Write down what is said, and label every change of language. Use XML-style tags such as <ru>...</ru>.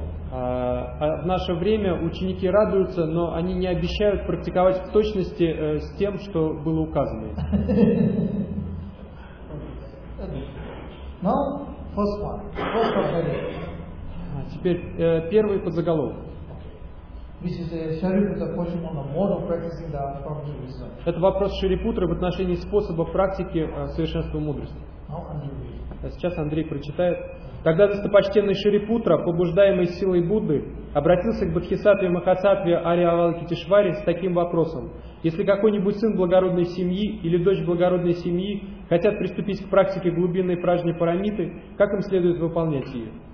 <ru>В наше время ученики радуются, но они не обещают практиковать в точности с тем, что было указано.</ru> <en>Now, first one. First one.</en> <ru>Теперь первый подзаголовок.</ru> <en>This is a Shariputra question on the mode of practicing the perfection of wisdom.</en> <ru>Это вопрос Шарипутры в отношении способа практики совершенства мудрости.</ru> <en>Now,</en> <ru>сейчас Андрей прочитает. Тогда достопочтенный Шарипутра, побуждаемый силой Будды, обратился к Бодхисаттве Махасаттве Ари Авалокитешваре с таким вопросом. Если какой-нибудь сын благородной семьи или дочь благородной семьи хотят приступить к практике глубинной пражни парамиты, как им следует выполнять ее?</ru>